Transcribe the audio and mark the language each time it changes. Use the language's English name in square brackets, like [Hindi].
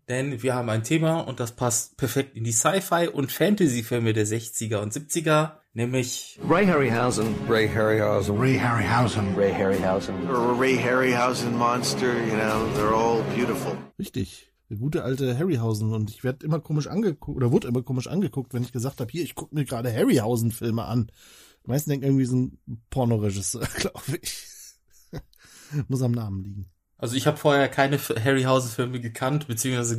[German] Denn wir haben ein Thema und das passt perfekt in die Sci-Fi- und Fantasy-Filme der 60er und 70er, nämlich Ray Harryhausen. Ray Harryhausen. Ray Harryhausen. Ray Harryhausen. [English] Ray Harryhausen Monster, you know, they're all beautiful. [German] Richtig, der gute alte Harryhausen. Und ich werde immer komisch angeguckt, oder wurde immer komisch angeguckt, wenn ich gesagt habe, hier, ich gucke mir gerade Harryhausen-Filme an. Die meisten denken irgendwie, so ein Pornoregisseur, glaube ich. Muss am Namen liegen. Also ich habe vorher keine Harryhausen-Filme gekannt bzw.